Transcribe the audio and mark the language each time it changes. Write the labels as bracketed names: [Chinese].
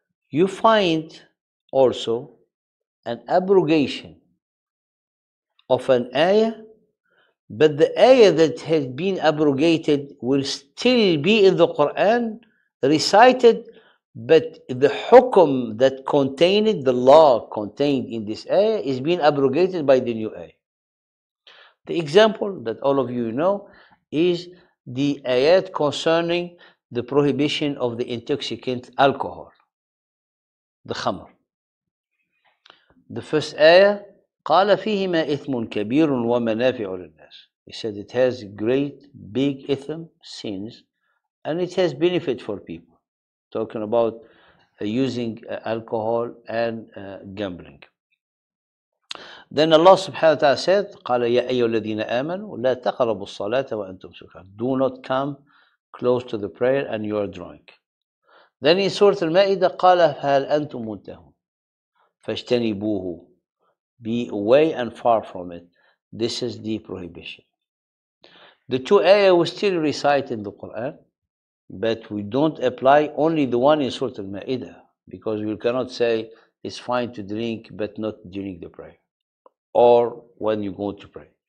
[English] You find also an abrogation of an ayah, but the ayah that has been abrogated will still be in the Quran, recited, but the hukum that contained it, the law contained in this ayah, is being abrogated by the new ayah. The example that all of you know is the ayat concerning the prohibition of the intoxicant alcohol, the khamr. The first ayah, [Arabic] قَالَ فِيهِمَا إِثْمٌ كَبِيرٌ وَمَنَافِعُ لِلنَّاسِ. [English] He said it has great big ithm, sins, and it has benefit for people. Talking about using alcohol and gambling. Then Allah subhanahu wa ta'ala said, [Arabic] قَالَ يَا أَيُّ الَّذِينَ آمَنُوا لَا تَقْرَبُوا الصَّلَاةَ وَأَنْتُمْ سُكَرَى. [English] Do not come close to the prayer and you are drunk. Then in Surah Al-Ma'idah, [Arabic] قَالَ فَهَلْ أَنْتُمْ مُنْتَهُونَ فَاجْتَنِبُوهُ. [English] Be away and far from it. This is the prohibition. The two ayahs were still recited in the Quran. But we don't apply only the one in Surah Al-Ma'idah, because we cannot say it's fine to drink but not during the prayer or when you go to pray.